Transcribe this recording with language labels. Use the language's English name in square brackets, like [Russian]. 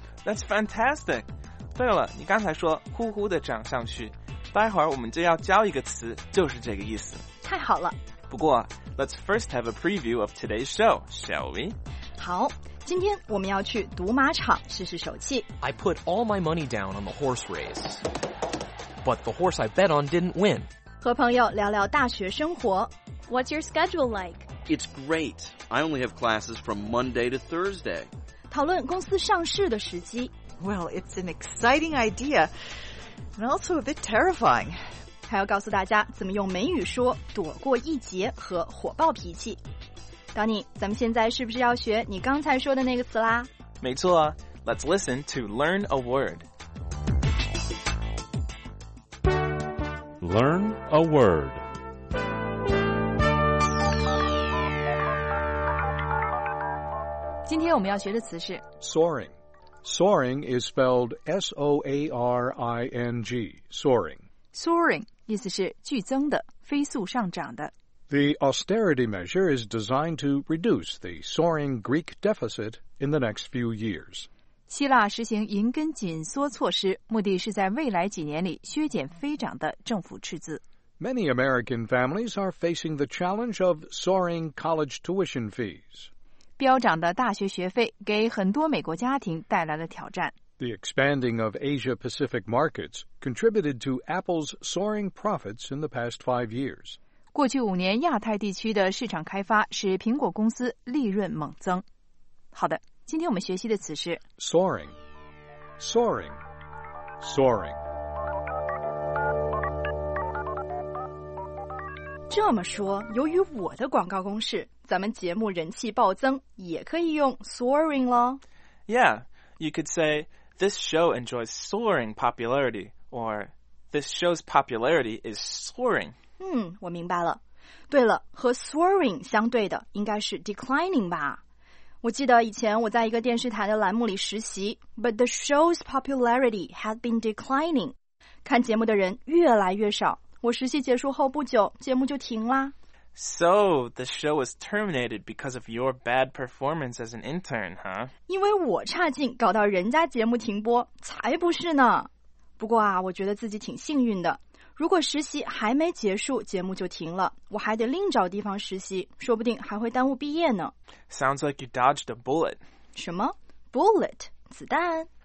[English] That's fantastic。 [Chinese] 对了，你刚才说呼呼的涨上去，待会儿我们就要教一个词，就是这个意思。太好了。不过 [English] Let's first have a preview of today's show, shall we? [Chinese] 好，今天我们要去赌马场试试手气。 [English] I put all my money down on the horse race, but the horse I bet on didn't win. [Chinese] 和朋友聊聊大学生活。 [English] What's your schedule like? It's great. I only have classes from Monday to Thursday. [Chinese] 讨论公司上市的时机。 [English] Well, it's an exciting idea, and also a bit terrifying. [Chinese] 还要告诉大家怎么用美语说躲过一劫和火爆脾气。 Donny，咱们现在是不是要学你刚才说的那个词啦？没错， [English] Let's listen to learn a word. Learn a word. Today we're going to learn the word soaring. Soaring is spelled S-O-A-R-I-N-G. Soaring. Soaring. [Chinese] 意思是剧增的，飞速上涨的。 [English] The austerity measure is designed to reduce the soaring Greek deficit in the next few years. [Chinese] 希腊实行银根紧缩措施，目的是在未来几年里削减飞涨的政府赤字。 [English] Many American families are facing the challenge of soaring college tuition fees. [Chinese] 飙涨的大学学费给很多美国家庭带来了挑战。 [English] The expanding of Asia-Pacific markets contributed to Apple's soaring profits in the past 5 years. [Chinese] 过去五年亚太地区的市场开发使苹果公司利润猛增。好的，今天我们学习的词是 [English] soaring, soaring, soaring. [Chinese] 这么说，由于我的广告攻势，咱们节目人气暴增，也可以用 soaring 咯。 [English] Yeah, you could say... This show enjoys soaring popularity, or this show's popularity is soaring. [Chinese] 我明白了。对了，和 soaring 相对的应该是 declining 吧。我记得以前我在一个电视台的栏目里实习 , [English] but the show's popularity had been declining. [Chinese] 看节目的人越来越少，我实习结束后不久，节目就停啦。 [English] So, the show was terminated because of your bad performance as an intern, huh? [Chinese] 因为我差劲搞到人家节目停播，才不是呢。不过啊，我觉得自己挺幸运的。如果实习还没结束，节目就停了，我还得另找地方实习，说不定还会耽误毕业呢。 [English] Sounds like you dodged a bullet. [Chinese] 什么?Bullet? 子弹?